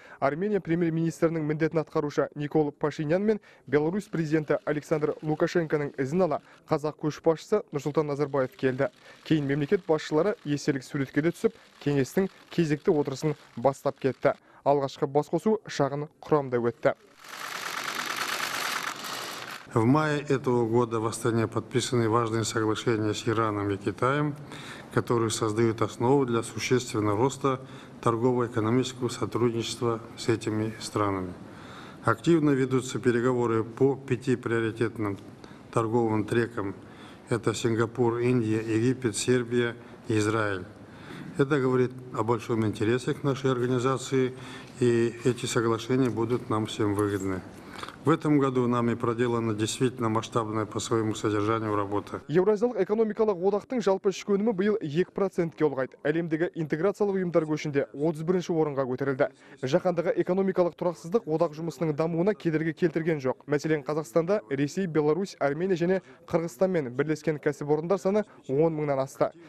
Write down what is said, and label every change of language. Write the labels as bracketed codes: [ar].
[kk] Армения премьер-министрінің міндетін атқарушы Никол Пашинян мен Беларусь президенті Александр Лукашенконың ізін ала қазақ көшбасшысы Нұрсұлтан Назарбаев келді. Кейін мемлекет басшылары естелік суретке де түсіп, кеңестің кезекті отырысын бастап кетті. Алғашқы басқосу шағын құрамда өтті. [ru] В мае этого года в Астане подписаны важные соглашения с Ираном и Китаем, которые создают основу для существенного роста торгово-экономического сотрудничества с этими странами. Активно ведутся переговоры по 5 приоритетным торговым трекам. Это Сингапур, Индия, Египет, Сербия и Израиль. Это говорит о большом интересе к нашей организации, и эти соглашения будут нам всем выгодны. В этом году нами проделана действительно масштабная по своему содержанию работа. [kk] Еуразиялық экономикалық одақтың жалпы ішкі өнімі биыл 2%-ке ұлғайды. Әлемдегі интеграциялық ұйымдар көшінде 31-ші орынға көтерілді. Жаһандағы экономикалық тұрақсыздық одақ жұмысының дамуына кедергі келтірген жоқ. Мәселен, Қазақстанда Ресей, Беларусь, Армения және Қырғызстанмен бірлескен кәсіпорындар саны 10 мыңнан асты.